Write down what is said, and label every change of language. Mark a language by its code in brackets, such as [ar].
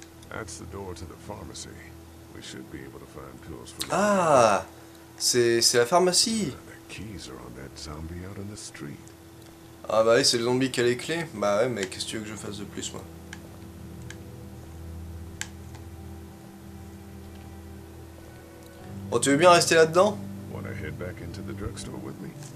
[en] That's the door to the pharmacy. We should be able to find pills for. [fr] Ah, c'est la pharmacie. [en] The keys are on that zombie out on the street. [fr] Ah bah oui, c'est le zombie qui a les clés. Bah ouais, mais qu'est-ce que tu veux que je fasse de plus, moi? Oh, tu veux bien rester là-dedans? [en] Wanna head back into the drugstore with me?